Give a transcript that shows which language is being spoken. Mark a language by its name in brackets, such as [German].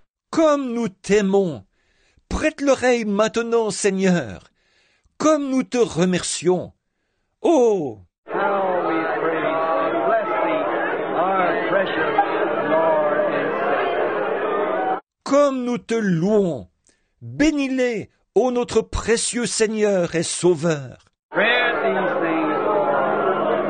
[French] Comme nous t'aimons, prête l'oreille maintenant, Seigneur. Comme nous te remercions. Oh! [English] How we praise and bless thee, our precious Lord and Savior. [French] Comme nous te louons. Bénis-les, ô notre précieux Seigneur et Sauveur. [English] Grant these things, Lord.